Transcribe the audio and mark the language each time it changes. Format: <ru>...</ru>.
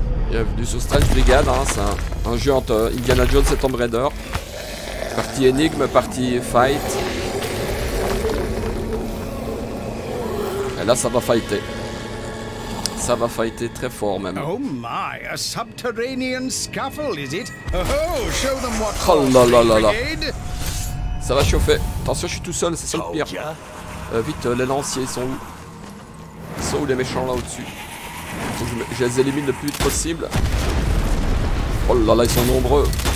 <fr>Bienvenue sur Strange Brigade, hein, c'est un jeu entre Indiana Jones et Tomb Raider. Partie énigme, partie fight. Et là, ça va fighter. Ça va fighter très fort même.</fr> <en>Oh my, a subterranean scuffle, is it? Show them what.</en> <fr>Oh là là là là. Ça va chauffer. Attention, je suis tout seul, c'est ça le pire. Vite, les lanciers, ils sont où? Ils sont où les méchants là au-dessus? Je les élimine le plus vite possible. Oh là là, ils sont nombreux.</fr>